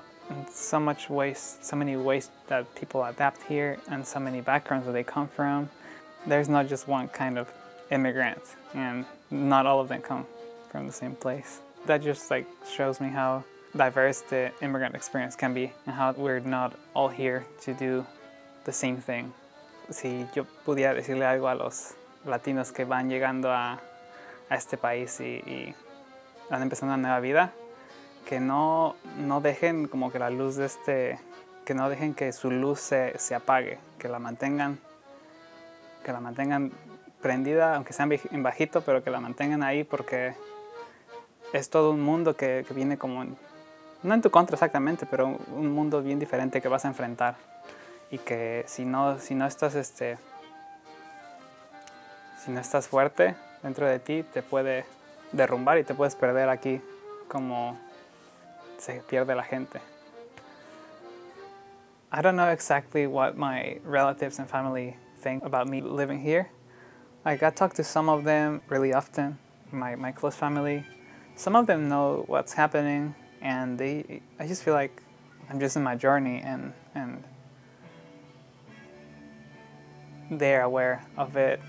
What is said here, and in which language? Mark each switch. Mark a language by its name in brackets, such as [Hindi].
[English] And so much ways, so many ways that people adapt here, and so many backgrounds that they come from. There's not just one kind of immigrant, and not all of them come from the same place. That just like shows me how diverse the immigrant experience can be, and how we're not all here to do the same thing. [Spanish] Si yo pudiera decirle algo a los latinos que van llegando a este país y van empezando una nueva vida. Que no dejen como que la luz de este, que no dejen que su luz se apague, que la mantengan prendida, aunque sea en bajito, pero que la mantengan ahí, porque es todo un mundo que viene como, no en tu contra exactamente, pero un mundo bien diferente que vas a enfrentar, y que si no estás si no estás fuerte dentro de ti, te puede derrumbar y te puedes perder aquí como se pierde la gente. [English] I don't know exactly what my relatives and family think about me living here. Like, I talk to some of them really often, my close family. Some of them know what's happening, and I just feel like I'm just in my journey, and they're aware of it.